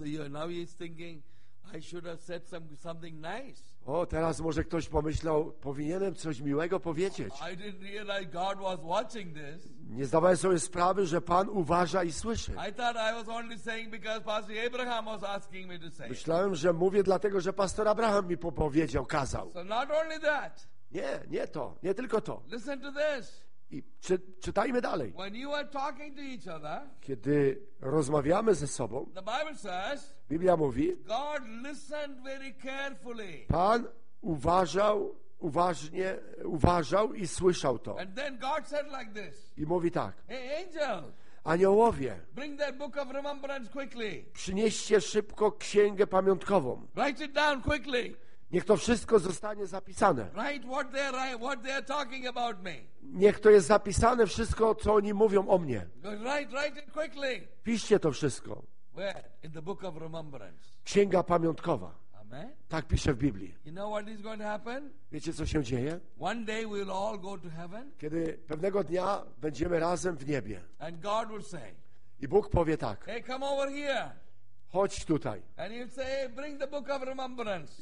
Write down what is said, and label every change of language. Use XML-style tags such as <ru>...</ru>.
<en>Now he's thinking, I should have said something nice.</en> <pl>O, teraz może ktoś pomyślał, powinienem coś miłego powiedzieć.</pl> <en>I didn't realize God was watching this.</en> <pl>Nie zdawałem sobie sprawy, że Pan uważa i słyszy.</pl> <en>I thought I was only saying because Pastor Abraham was asking me to say.</en> <pl>Myślałem, że mówię dlatego, że Pastor Abraham mi powiedział, kazał.</pl> <en>So not only that.</en> <pl>Nie to, nie tylko to.</pl> <en>Listen to this.</en> <pl>I czytajmy dalej.</pl> <en>When you are talking to each other,</en> <pl>kiedy rozmawiamy ze sobą,</pl> <en>the Bible says,</en> <pl>Biblia mówi,</pl> <en>God listened very carefully.</en> <pl>Pan uważał, uważnie, uważał i słyszał to.</pl> <en>And then God said like this,</en> <pl>i mówi tak,</pl> <en>hey, angel,</en> <pl>aniołowie,</pl> <en>bring that book of remembrance quickly.</en> <pl>Przynieście szybko księgę pamiątkową.</pl> <en>Write it down quickly.</en> <pl>Niech to wszystko zostanie zapisane.</pl> <en>Write what they are, talking about me.</en> <pl>Niech to jest zapisane wszystko, co oni mówią o mnie.</pl> <en>Write it quickly.</en> <pl>Piszcie to wszystko.</pl> <en>Where? In the book of remembrance.</en> <pl>Księga pamiątkowa. Amen. Tak pisze w Biblii.</pl> <en>You know what is going to happen?</en> <pl>Wiecie, co się dzieje?</pl> <en>One day we'll all go to heaven.</en> <pl>Kiedy pewnego dnia będziemy razem w niebie.</pl> <en>And God will say,</en> <pl>i Bóg powie tak.</pl> <en>Hey, come over here.</en> <pl>Chodź tutaj.</pl> <en>And you say, bring the book of remembrance.</en>